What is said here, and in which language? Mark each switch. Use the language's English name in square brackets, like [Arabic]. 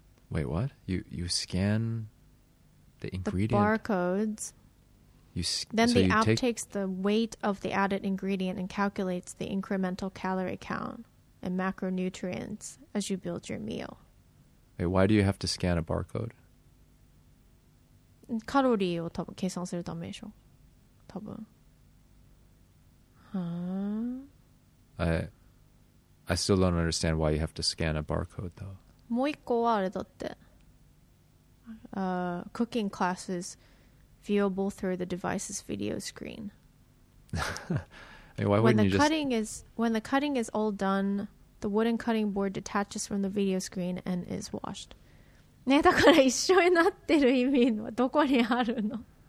[English] Wait, what? You scan the ingredient? The barcodes. Then the app takes the weight of the added ingredient and calculates the incremental calorie count and macronutrients as you build your meal. Wait, why do you have to scan a barcode? [Japanese] カロリーを多分計算するためでしょ。多分。 [English] I still don't understand why you have to scan a barcode though. [Japanese] もう一個はあれだって。 [English] Cooking classes. Viewable through the device's video screen. Hey, why wouldn't you cutting just... when the cutting is all done, the wooden cutting board detaches from the video screen and is washed. [Japanese] ね、だから一緒になってる意味はどこにあるの？